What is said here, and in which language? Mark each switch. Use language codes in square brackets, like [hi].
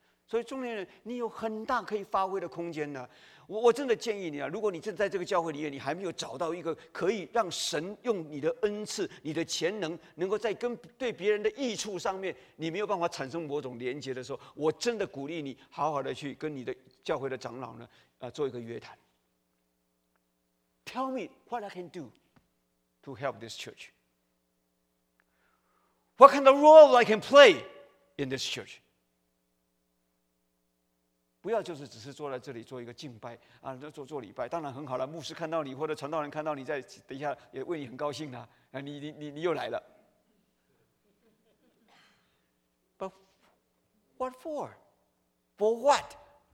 [zh] 所以中年人你有很大可以发挥的空间呢。我真的建议你啊，如果你正在这个教会里面，你还没有找到一个可以让神用你的恩赐，你的潜能能够在跟对别人的益处上面你没有办法产生某种连结的时候，我真的鼓励你好好的去跟你的教会的长老呢，做一个约谈。 [en] Tell me what I can do to help this church. What kind of role I can play in this church? [zh] 不要就是只是坐在这里做一个敬拜啊，做礼拜，当然很好了。牧师看到你或者传道人看到你，在等一下也为你很高兴啊，你又来了。 [en] But what for? For what?